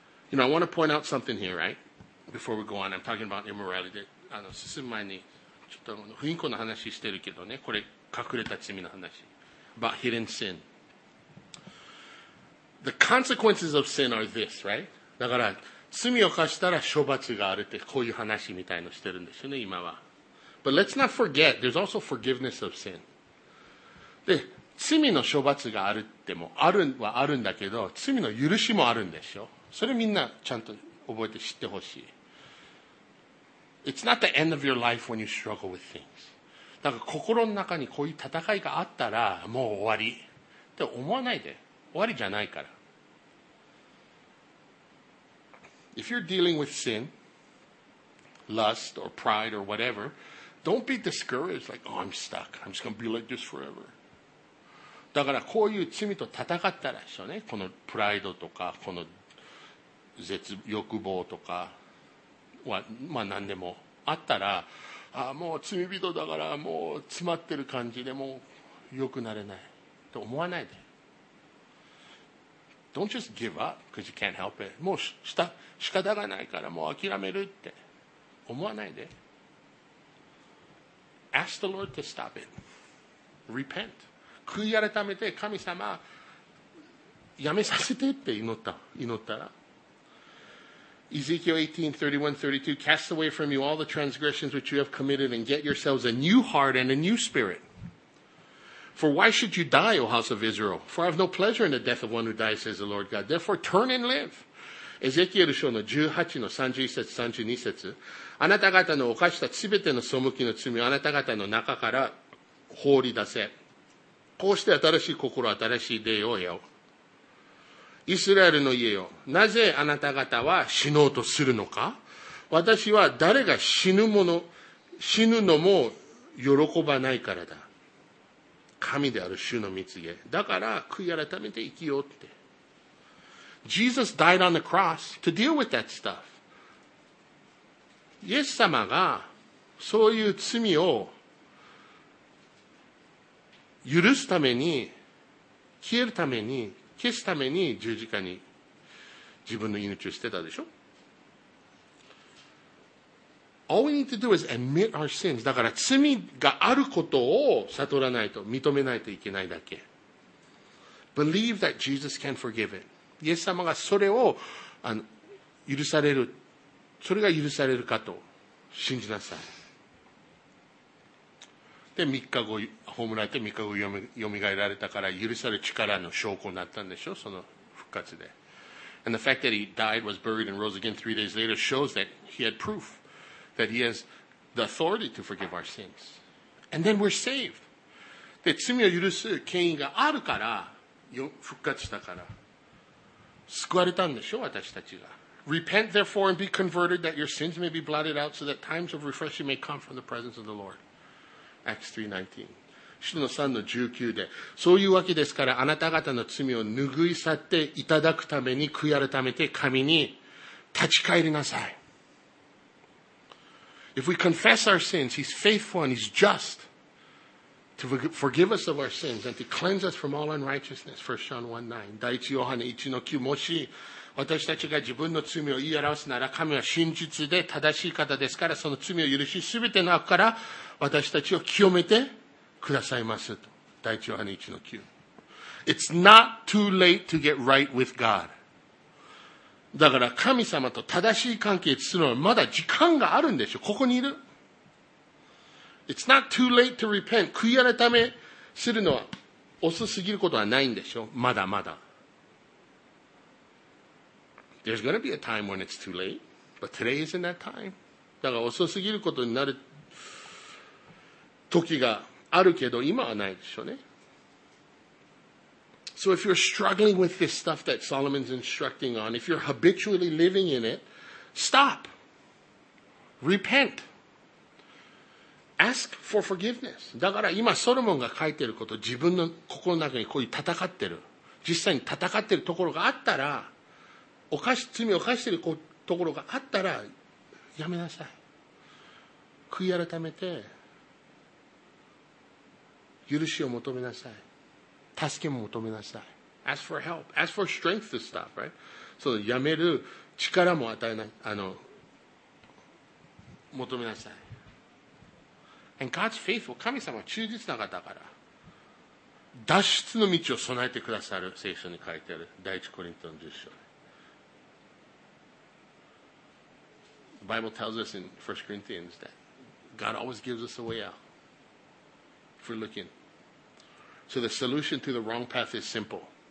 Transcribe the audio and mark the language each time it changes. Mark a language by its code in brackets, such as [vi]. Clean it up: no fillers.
[en] You know, I want to point out something here, right? Before we go on, I'm talking about immorality. [ja] 進む前に、ちょっと不信仰の話してるけどね、これ隠れた罪の話。 [en] About hidden sin. The consequences of sin are this, right? [ja] だから、罪を犯したら処罰があるって、こういう話みたいのしてるんですよね、今は。 [en] But let's not forget, there's also forgiveness of sin. [ja] で、罪の処罰があるっても、あるはあるんだけど、罪の許しもあるんでしょ。それみんなちゃんと覚えて知ってほしい。 [en] It's not the end of your life when you struggle with things. [ja] だから心の中にこういう戦いがあったら、もう終わりって思わないで。終わりじゃないから。 [en] If you're dealing with sin, lust or pride or whatever, don't be discouraged like, oh, I'm stuck. I'm just going to be like this forever. [ja] だからこういう罪と戦ったらしょね。このプライドとか、この絶欲望とかは、まあ何でもあったら、ああ、もう罪人だからもう詰まってる感じでもう良くなれないと思わないで。 [en] Don't just give up because you can't help it. [ja] もう仕方がないからもう諦めるって思わないで。 [en] Ask the Lord to stop it. Repent. [ja] 悔い改めて神様やめさせてって祈ったら。 [en] Ezekiel 18:31-32 Cast away from you all the transgressions which you have committed and get yourselves a new heart and a new spirit. For why should you die, O house of Israel? For I have no pleasure in the death of one who dies, says the Lord God. Therefore turn and live. [ja] Ezekiel 18:31-32 あなた方の犯したすべての背きの罪をあなた方の中から放り出せ。こうして新しい心、新しい霊を得よう。イスラエルの家よ、なぜあなた方は死のうとするのか。私は誰が死ぬのも喜ばないからだ。神である主の御告げ。だから悔い改めて生きようって。 [en] Jesus died on the cross to deal with that stuff. [ja] イエス様がそういう罪を許すために、消えるために、消すために十字架に自分の命を捨てたでしょ。 [en] All we need to do is admit our sins. [ja] だから罪があることを悟らないと、認めないといけないだけ。 [en] Believe that Jesus can forgive it. [ja] イエス様がそれを許される、それが許されるかと信じなさい。で、三日後、葬られて三日後よみがえられたから、許される力の証拠になったんでしょ、その復活で。 [en] And the fact that he died, was buried, and rose again 3 days later shows that he had proof that he has the authority to forgive our sins. And then we're saved. [ja] で、罪を許す権威があるから、復活したから。救われたんでしょ、私たちが。 [en] Repent therefore and be converted that your sins may be blotted out so that times of refreshing may come from the presence of the Lord. [ja] Acts 3:19 でそういうわけですから、あなた方の罪を拭い去っていただくために、悔い改めて神に立ち返りなさい。 [en] If we confess our sins, he's faithful and he's just to forgive us of our sins and to cleanse us from all unrighteousness. [ja] 1 John 1:9 第一ヨハネ 1-9 もし私たちが自分の罪を言い表すなら、神は真実で正しい方ですから、その罪を許し、すべての悪から私たちを清めてくださいますと。 [en] 第一ヨハネ 1-9 It's not too late to get right with God. [ja] だから神様と正しい関係をするのはまだ時間があるんでしょ。ここにいる。 [en] It's not too late to repent. [ja] 悔い改めするのは遅すぎることはないんでしょ。まだまだ。 [en] There's going to be a time when it's too late, but today isn't that time. [ja] だから遅すぎることになる時があるけど、今はないでしょうね。 [en] So if you're struggling with this stuff that Solomon's instructing on, if you're habitually living in it, stop. Repent. Ask for forgiveness. [ja] だから今ソロモンが書いてること、自分の心の中にこういう戦ってる、実際に戦ってるところがあったら、罪を犯しているところがあったら、やめなさい。悔い改めて、許しを求めなさい。助けも求めなさい。 [en] Ask for help. Ask for strength to stop, right? [ja] そのやめる力も与えない、あの、求めなさい。 [en] And God's faithful. [ja] 神様は忠実な方から。脱出の道を備えてくださる聖書に書いてある。第一コリントの10章。 [en] The Bible tells us in 1 Corinthians that God always gives us a way out if we're looking. So the solution to the wrong path is simple.